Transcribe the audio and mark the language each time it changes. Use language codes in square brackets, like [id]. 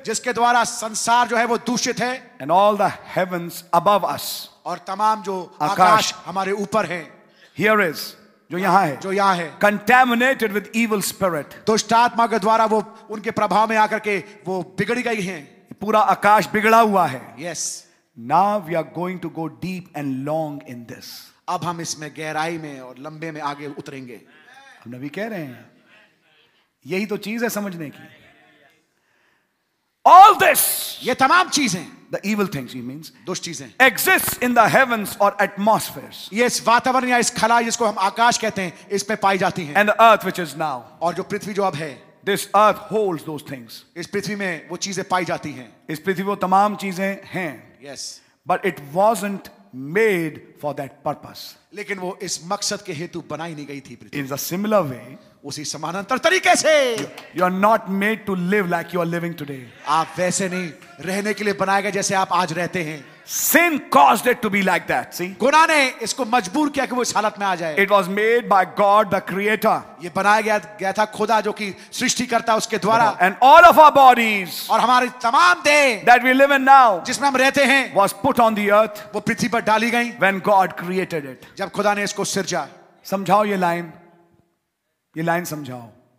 [hi] जिसके द्वारा संसार जो है वो दूषित है. [en] And all the heavens above us. [hi] और तमाम जो आकाश हमारे ऊपर है. [en] Here is [hi] जो यहाँ है. जो यहाँ है. [en] Contaminated with evil spirit. [hi] दुष्टात्मा के द्वारा वो उनके प्रभाव में आकर के वो बिगड़ी गई हैं. पूरा आकाश बिगड़ा हुआ है. [en] Yes. Now we are going to go deep and long in this. [hi] अब हम इसमें गहराई में और लंबे में आगे उतरेंगे. हम नबी कह रहे हैं, यही तो चीज है समझने की. [en] all this, [hi] ये तमाम चीजें, [en] the evil things, he means [hi] दुष्ट चीजें, [en] Exist in the heavens और atmospheres. [hi] ये इस वातावरण या इस खला जिसको हम आकाश कहते हैं, इस पे पाई जाती हैं. [en] and the earth which is now, [hi] और जो पृथ्वी जो अब है. [en] This earth holds those things. [hi] इस पृथ्वी में वो चीजें पाई जाती हैं. इस पृथ्वी वो तमाम चीजें हैं. [en] Yes. But it wasn't made for that purpose. [hi] लेकिन वो इस मकसद के हेतु बनाई नहीं गई थी. [en] In a similar way, [hi] उसी समानांतर तरीके से, [en] you are not made to live like you are living today. [hi] आप वैसे नहीं रहने के लिए बनाए गए जैसे आप आज रहते हैं. [en] Sin caused it to be like that. See? [hi] गुनाह ने इसको मजबूर किया कि वो इस हालत में आ जाए. [en] It was made by God the Creator. [hi] ये बनाया गया था खुदा जो कि सृष्टि करता उसके द्वारा. [en] And all of our bodies. [hi] और हमारी तमाम देह. [en] That we live in now. [hi] जिसमें हम रहते हैं. [en] Was put on the earth. [hi] वो पृथ्वी पर डाली गई. [en] When God created it. [hi] जब खुदा ने इसको सृजा. समझाओ ये लाइन. ये लाइन समझाओ.